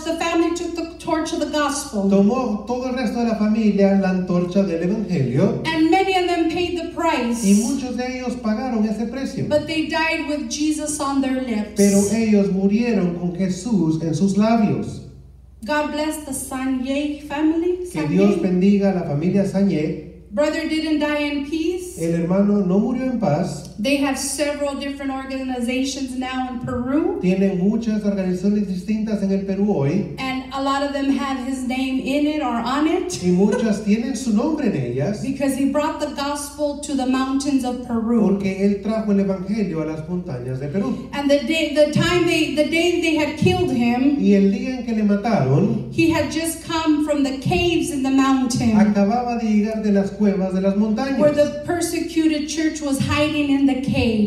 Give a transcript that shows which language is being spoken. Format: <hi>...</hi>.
<en>The family took the torch of the gospel.</en> <es>Tomó todo el resto de la familia la antorcha del evangelio.</es> <en>And many of them paid the price.</en> <es>Y muchos de ellos pagaron ese precio.</es> <en>But they died with Jesus on their lips.</en> <es>Pero ellos murieron con Jesús en sus labios.</es> <en>God bless the Sanye family.</en> <es>Que Dios bendiga a la familia Sanye.</es> <en>Brother didn't die in peace.</en> <es>El hermano no murió en paz.</es> <en>They have several different organizations now in Peru.</en> <es>Tienen muchas organizaciones distintas en el Perú hoy.</es> <en>And a lot of them have his name in it or on it.</en> <es>Y muchas tienen su nombre en ellas.</es> <en>Because he brought the gospel to the mountains of Peru.</en> <es>Porque él trajo el evangelio a las montañas de Perú.</es> <en>And the day they had killed him.</en> <es>Y el día en que le mataron.</es> <en>He had just come from the caves in the mountain.</en> <es>Acababa de llegar de las cuevas de las montañas.</es> <en>Where the persecuted church was hiding in the caves.</en>